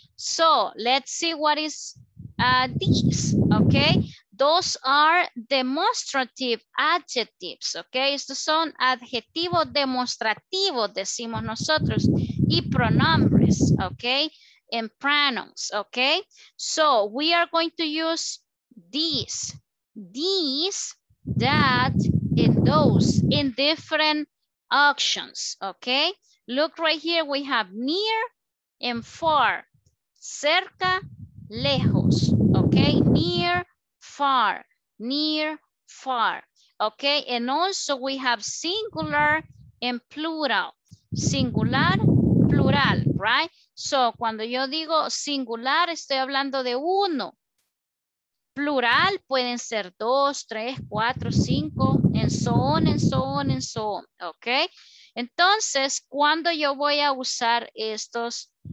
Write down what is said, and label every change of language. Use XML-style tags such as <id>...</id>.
<en>So, let's see what is these, ok? Those are demonstrative adjectives, ok?</en> <es>Estos son adjetivos demostrativos, decimos nosotros, y pronombres, ok?</es> <en>And pronouns, ok? So, we are going to use these, that, and those in different auctions, ok? Look right here, we have near and far,</en> <es>cerca, lejos,</es> <en>ok? Near, far, near, far. Okay, and also we have singular and plural. Singular, plural, right?</en> <es>So, cuando yo digo singular, estoy hablando de uno. Plural, pueden ser dos, tres, cuatro, cinco,</es> <en>and so on, and so on, and so on.</en> <es>Okay, entonces, cuando yo voy a usar estos</es>